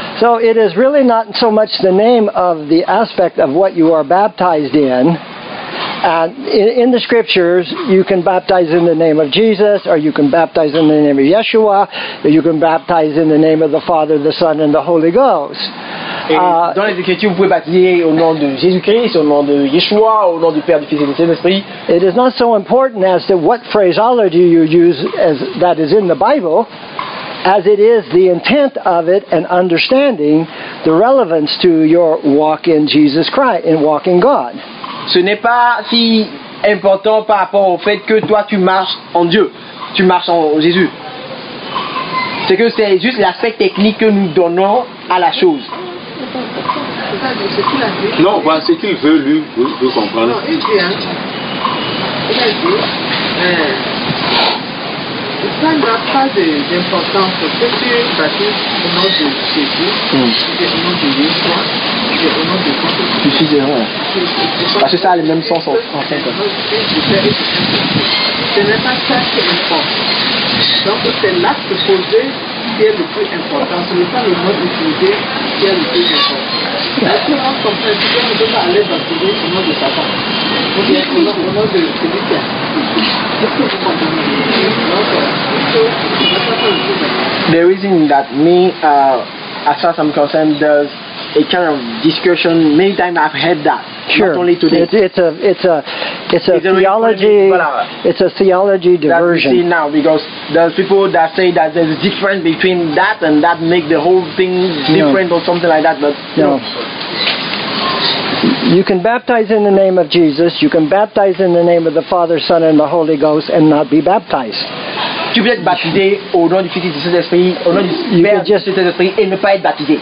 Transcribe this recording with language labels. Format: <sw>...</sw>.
<en>So it is really not so much the name of the aspect of what you are baptized in. And in the scriptures, you can baptize in the name of Jesus, or you can baptize in the name of Yeshua, or you can baptize in the name of the Father, the Son, and the Holy Ghost.</en> <fr>Et dans les Écritures, vous pouvez baptiser au nom de Jésus-Christ, au nom de Yeshua, au nom du Père, du Fils et du Saint-Esprit.</fr> <en>It is not so important as to what phraseology you use as that is in the Bible, as it is the intent of it and understanding the relevance to your walk in Jesus Christ, in walking God.</en> <fr>Ce n'est pas si important par rapport au fait que toi tu marches en Dieu, tu marches en Jésus. C'est que c'est juste l'aspect technique que nous donnons à la chose. Non, voilà ce qu'il veut lui de comprendre. Ça n'a pas d'importance que tu baptises au nom de Jésus, au nom de Yeshua, au nom de Christ. Tu suis erreur. Parce que ça a le même sens en fait. Ce n'est pas ça qui est important. Donc c'est l'acte posé qui est le plus important. Ce n'est pas le mot utilisé qui est le plus important. Est-ce que l'on comprend que tu dois aller baptiser au nom de Satan?</fr> <en>The reason that me, as far as I'm concerned, there's a kind of discussion. Many times I've heard that. Sure. Not only today. It's a theology. It's a theology diversion. That we see now, because there's people that say that there's a difference between that and that make the whole thing different or something like that. But no. You can baptize in the name of Jesus, you can baptize in the name of the Father, Son, and the Holy Ghost, and not be baptized.</en> <fr>Tu peux être baptisé au nom du Fils et du Saint-Esprit, au nom du Père, du Fils et du Saint-Esprit, et ne pas être baptisé.</fr>